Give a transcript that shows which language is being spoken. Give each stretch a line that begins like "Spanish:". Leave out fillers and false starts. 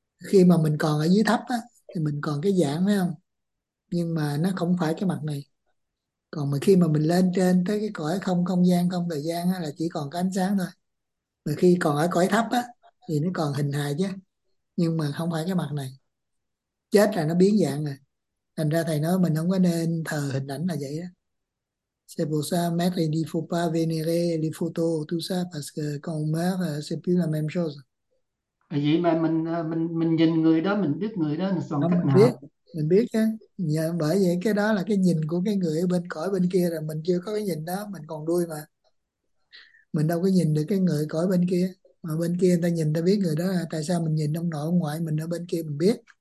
Vietnamese: khi mà mình còn ở dưới thấp á thì mình còn cái dạng phải không, nhưng mà nó không phải cái mặt này, còn mà khi mà mình lên trên tới cái cõi không không gian không thời gian á, là chỉ còn cái ánh sáng thôi, mà khi còn ở cõi thấp á thì nó còn hình hài chứ, nhưng mà không phải cái mặt này, chết là nó biến dạng rồi. Thành ra thầy nói mình không có nên thờ hình ảnh là vậy đó.
French: C'est pour ça, mettre il ne faut pas vénérer les photos, tout ça, parce que quand on meurt, c'est plus la même chose.
Vietnamese: Vậy mà mình nhìn người đó, mình biết người đó là còn Không, cách nào? mình biết á. Dạ, bởi vậy cái đó là cái nhìn của cái người ở bên cõi bên kia, là mình chưa có cái nhìn đó, mình còn đuôi mà. Mình đâu có nhìn được cái người cõi bên kia. Mà bên kia người ta nhìn, người ta biết người đó là tại sao mình nhìn ông nội, ông ngoại mình ở bên kia, mình biết.